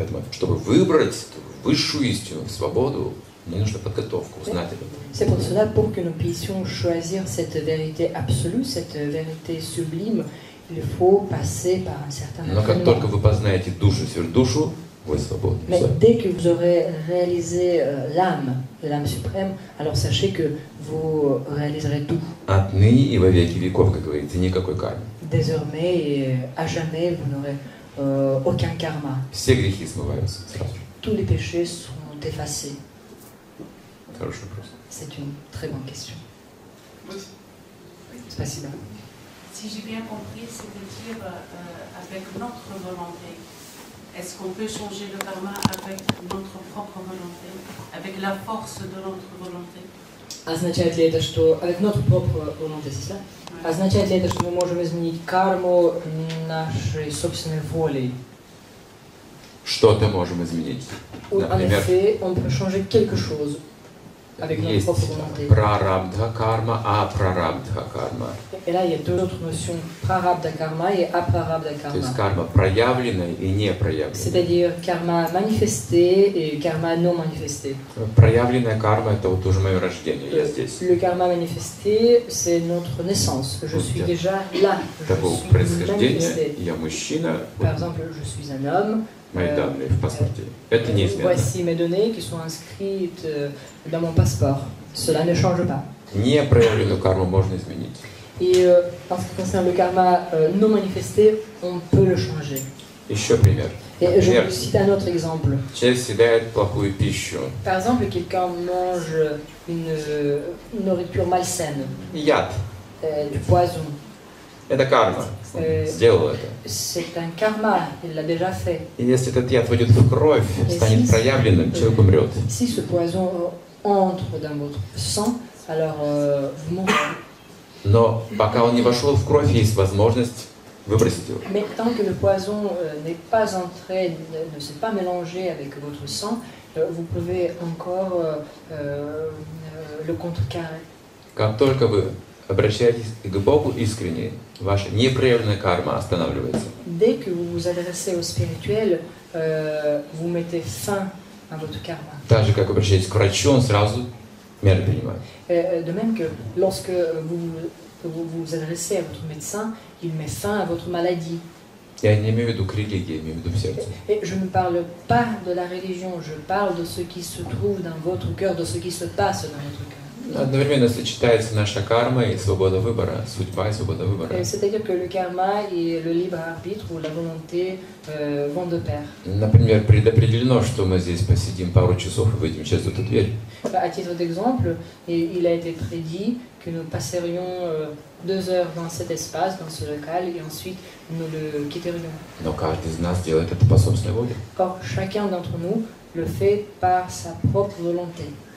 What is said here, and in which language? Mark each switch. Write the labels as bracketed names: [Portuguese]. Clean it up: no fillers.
[Russian] Чтобы выбрать высшую истину, свободу, мне нужно подготовку, знать это. [French] C'est pour cela, pour que nous puissions choisir cette vérité absolue, cette vérité sublime, il faut passer par un certain. [Russian] Но как только вы познаете душу, сверхдушу, вы свободны. [French] Mais dès que vous aurez réalisé l'âme, l'âme suprême, alors sachez que vous réaliserez tout. [Russian] Отныне и во веки веков, как говорится, никакой кармы. [French] Désormais et à jamais, vous n'aurez aucun karma. [Russian] Все грехи смываются сразу. [French] Tous les péchés sont effacés. [Russian] Хороший вопрос. [French] C'est une très bonne question. [Russian] Спасибо. [French] Si j'ai bien compris, c'est de dire avec notre volonté. Est-ce qu'on peut changer le karma avec notre propre volonté, avec la force de notre volonté? [Russian] Означает ли это, что [French] avec notre propre volonté, c'est ça? [Russian] Означает ли это, что мы можем изменить карму нашей собственной волей? Что-то можем изменить. Например, [French] en effet, on peut changer quelque chose avec notre propre volonté. [Russian] Прарабдха карма, апрарабдха карма. [French] Et là, il y a deux autres notions, prarabdha karma et aprarabdha karma. [Russian] То есть карма проявленная и не проявленная. [French] C'est-à-dire karma manifestée et karma non manifestée. [Russian] Проявленная карма это вот уже мое рождение, я здесь. [French] Le karma manifesté, c'est notre naissance. Je suis déjà là. [Russian] Такого происхождения, я мужчина. [French] Par exemple, je suis un homme. [Russian] Мои данные в паспорте. Это неизменно. [French] Voici mes données qui sont inscrites dans mon passeport. Cela ne change pas. [Russian] Не проявленную карму можно изменить. [French] Et en ce qui concerne le karma non manifesté, on peut le changer. [Russian] Еще пример. [French] Et je vais citer un autre exemple. [Russian] Человек съедает плохую пищу. [French] Par exemple, quelqu'un mange une nourriture malsaine. [Russian] Яд. [French] Du poison. [Russian] Это карма. Сделал это. [French] C'est un karma. Il l'a déjà fait. [Russian] И если этот яд войдет в кровь, [French] et [Russian] станет si проявленным, человек умрет. [French] Si ce poison entre dans votre sang, alors vous mourrez. [Russian] Но пока он не вошел в кровь, есть возможность выбросить его. [French] Mais tant que le poison n'est pas entré, ne s'est pas mélangé avec votre sang, vous pouvez encore le contrecarrer. [Russian] Как только вы обращаетесь к Богу искренне, ваша непроявленная карма останавливается. [French] Dès que vous vous adressez au spirituel, vous mettez fin à votre karma. [Russian] Так же, как обращаетесь к врачу, он сразу меры принимает. [French] De même que lorsque vous vous adressez à votre médecin, il met fin à votre maladie. [Russian] Я не имею в виду религии, я имею в виду сердце. [French] Et je ne parle pas de la religion, je parle de ce qui se trouve dans votre cœur, de ce qui se passe dans votre cœur. [Russian] Одновременно сочетается наша карма и свобода выбора, судьба и свобода выбора. [French] C'est-à-dire que le karma et le libre arbitre ou la volonté vont de pair. [Russian] Например, предопределено, что мы здесь посидим пару часов и выйдем через эту дверь. [French] À titre d'exemple, il a été prédit que nous passerions deux heures dans cet espace, dans ce local, et ensuite nous le quitterions. [Russian] Но каждый из нас делает это по собственной воле. [French] Or, chacun d'entre nous le fait par sa propre volonté.